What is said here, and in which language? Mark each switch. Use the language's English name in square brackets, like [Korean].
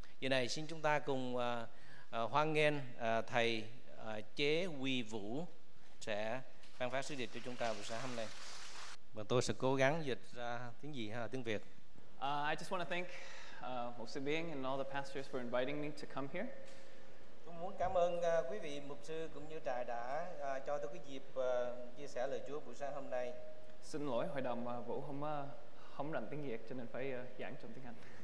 [Vietnamese] Giờ này xin chúng ta cùng hoan nghênh thầy Chế Huy Vũ sẽ ban phát sứ điệp cho chúng ta buổi sáng hôm nay. Và tôi sẽ cố gắng dịch ra tiếng gì ha, tiếng Việt. [English] I just want to thank Mục sư Biên and all the pastors for inviting me to come here. [Vietnamese] Tôi muốn cảm ơn quý vị mục sư cũng như trại đã cho tôi cái dịp chia sẻ lời Chúa buổi sáng hôm nay. Xin lỗi hội đồng Vũ không rành tiếng Việt cho nên phải giảng trong tiếng Anh.